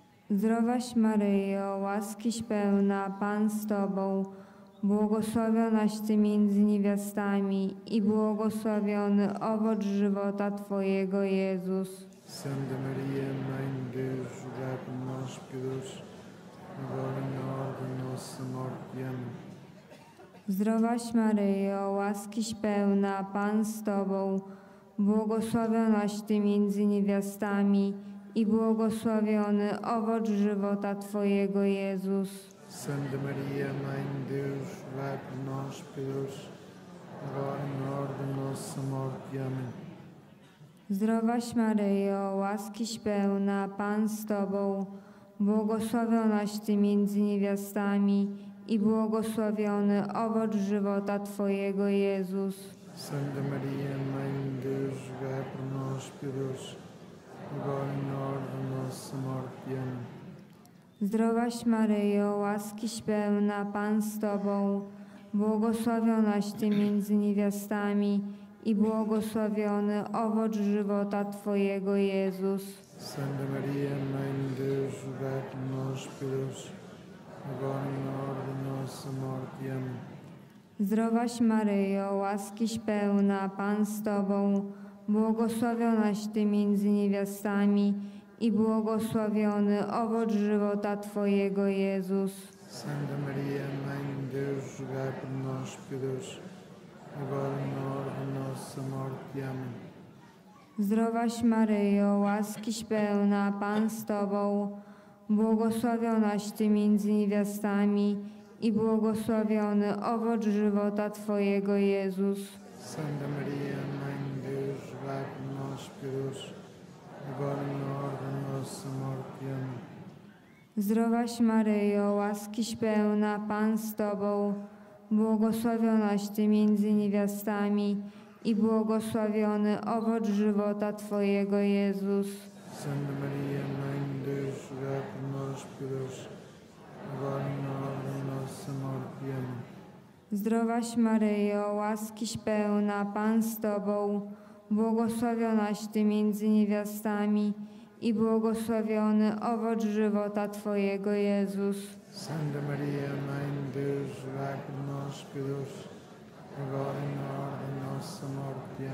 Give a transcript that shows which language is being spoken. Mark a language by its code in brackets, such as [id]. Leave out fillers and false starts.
[pl] Zdrowaś Maryjo, łaskiś pełna, Pan z Tobą, błogosławionaś Ty między niewiastami i błogosławiony owoc żywota Twojego, Jezus. [pt] Santa Maria, Mãe de Deus, rogai por nós, pecadores, agora e na hora da nossa morte. Amém. [pl] Zdrowaś Maryjo, łaskiś pełna, Pan z Tobą, błogosławionaś Ty między niewiastami i błogosławiony owoc żywota Twojego, Jezus. [pt] Santa Maria, Mãe de Deus, rogai por nós, pecadores, agora e na hora da nossa morte. Amém. [pl] Zdrowaś Maryjo, łaskiś pełna, Pan z Tobą, błogosławionaś Ty między niewiastami i błogosławiony owoc żywota Twojego, Jezus. [pt] Santa Maria, Mãe de Deus, rogai por nós, pecadores, agora e na hora da nossa morte. Amém. [pl] Zdrowaś Maryjo, łaskiś pełna, Pan z Tobą, błogosławionaś Ty między niewiastami i błogosławiony owoc żywota Twojego, Jezus. [pt] Santa Maria, Mãe de Deus, rogai por nós, pecadores, agora e na hora da nossa morte. Amém. [pl] Zdrowaś Maryjo, łaskiś pełna, Pan z Tobą, błogosławionaś Ty między niewiastami i błogosławiony owoc żywota Twojego, Jezus. [pt] Santa Maria, Mãe de Deus, rogai por nós, pecadores, agora na hora da nossa morte. Amém. [pl] Zdrowaś Maryjo, łaskiś pełna, Pan z Tobą, błogosławionaś Ty między niewiastami i błogosławiony owoc żywota Twojego, Jezus. [pt] Santa Maria, Mãe de Deus, rogai por nós, pecadores, agora na hora da nossa morte. Amém. [pl] Zdrowaś Maryjo, łaskiś pełna, Pan z Tobą, błogosławionaś Ty między niewiastami i błogosławiony owoc żywota Twojego, Jezus. [pt] Santa Maria, Mãe de Deus, rogai por nós, pecadores, agora e na hora da nossa morte. Amém. [pl] Zdrowaś Maryjo, łaskiś pełna, Pan z Tobą, błogosławionaś Ty między niewiastami i błogosławiony owoc żywota Twojego, Jezus. [pt] Santa Maria, Mãe de Deus, rogai por nós, pecadores, agora e na hora da nossa morte.